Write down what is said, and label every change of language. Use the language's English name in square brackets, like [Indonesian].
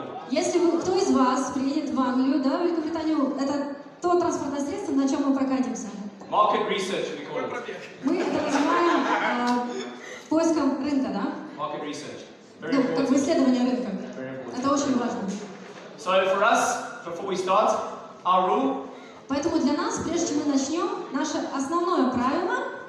[Russian] Если кто из вас приедет в Англию, да, в Великобританию, это то транспортное средство, на чем мы прокатимся. [English] Market research, we call it. [Russian] Мы это называем поиском рынка, да? [English] Market research. [Russian] Ну, как бы исследование рынка. Это очень важно. [English] So for us, before we start, our rule. [Russian] Поэтому для нас, прежде чем мы начнем, наше основное правило.